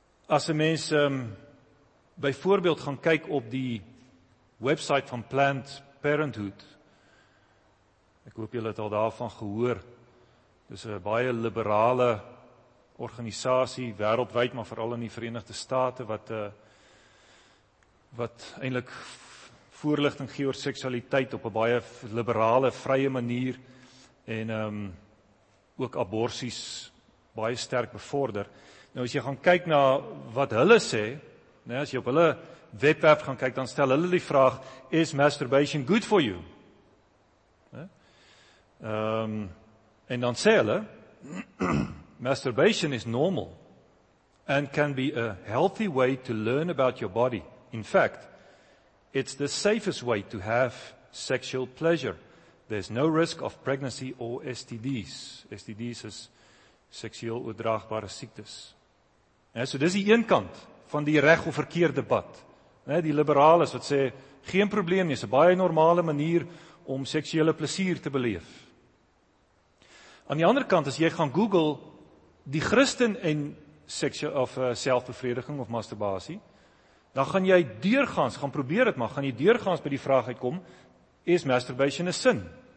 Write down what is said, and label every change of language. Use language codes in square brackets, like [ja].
[af] As 'n mens byvoorbeeld gaan kyk op die website van Planned Parenthood, ek hoop julle het al daarvan gehoor, dis 'n baie liberale organisasie, wêreldwyd, maar vooral in die Verenigde State, wat eintlik voorligting gee oor seksualiteit op 'n baie liberale, vrye manier en ook aborsies baie sterk bevorder. Nou as jy gaan kyk na wat hulle sê, nou as jy op hulle webwerf gaan kyk, dan stel hulle die vraag, [en] is masturbation good for you? [af] En dan sê hulle, [en] masturbation is normal and can be a healthy way to learn about your body. In fact, it's the safest way to have sexual pleasure. There's no risk of pregnancy or STDs. [af] STDs is seksueel oordraagbare siektes. Ja, so dis die een kant van die reg of verkeerde debat. Ja, die liberales wat sê, geen probleem nie, is 'n baie normale manier om seksuele plesier te beleef. Aan die ander kant, as jy gaan Google die Christen en selfbevrediging of masturbasie, dan gaan jy deurgaans, gaan probeer het maar, gaan jy deurgaans by die vraag uitkom, [en] is masturbation [af] 'n sin?